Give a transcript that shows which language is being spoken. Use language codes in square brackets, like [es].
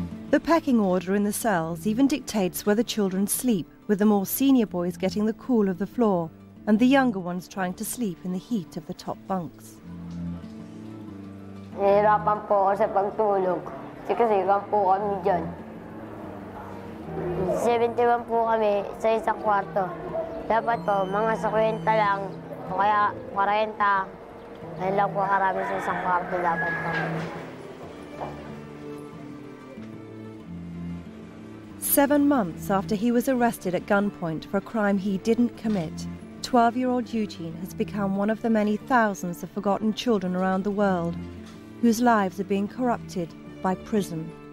[en] The pecking order in the cells even dictates where the children sleep, with the more senior boys getting the cool of the floor and the younger ones trying to sleep in the heat of the top bunks. [tl] Nahirapan po ako sa pagtulog. Sikasikan po kami dyan. 71 po kami sa isang kwarto. Dapat po, mga sa 40 lang, o kaya 40, ayun lang po karami sa isang kwarto dapat po. [en] 7 months after he was arrested at gunpoint for a crime he didn't commit, 12-year-old Eugene has become one of the many thousands of forgotten children around the world, whose lives are being corrupted by prison.